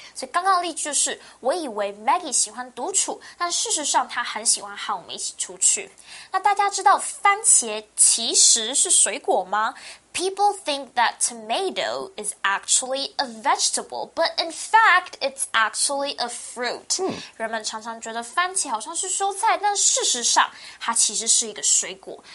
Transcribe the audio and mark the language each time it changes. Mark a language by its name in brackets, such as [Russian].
[Chinese] 所以刚刚的例句就是我以为 Maggie 喜欢独处，但事实上她很喜欢和我们一起出去。那大家知道番茄其实是水果吗？ [English] People think that tomato is actually a vegetable, but in fact, it's actually a fruit. [Chinese] 人们常常觉得番茄好像是蔬菜，但事实上它其实是一个水果。